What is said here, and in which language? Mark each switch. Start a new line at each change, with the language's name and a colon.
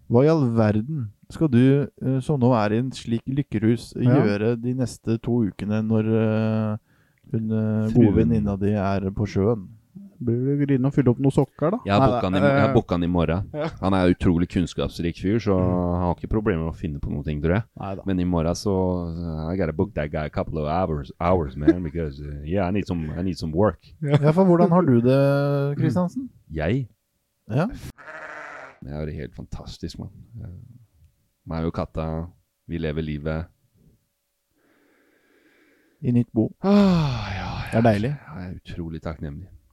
Norwegian: Hva i all verden skal du, som nå er i en slik lykkerhus, gjøre de neste 2 ukene når hun gode venninna di er på sjøen? Blir du grinne og fylle opp noen sokker da? Jeg har boket han i morgen. Ja. Han er utrolig kunnskapsrik fyr, så han har ikke problemer med å finne på noen ting, tror jeg. Neida. Men i morgen så,
English: I gotta book that guy a couple of hours man, because yeah, I need some work.
Norwegian: Ja, for hvordan har du det, Kristiansen? Jeg? Ja. Det er jo helt fantastisk, man. Meg og katta, vi lever livet. I nytt bo. Ah, ja. Det er deilig. Jeg er utrolig takknemlig.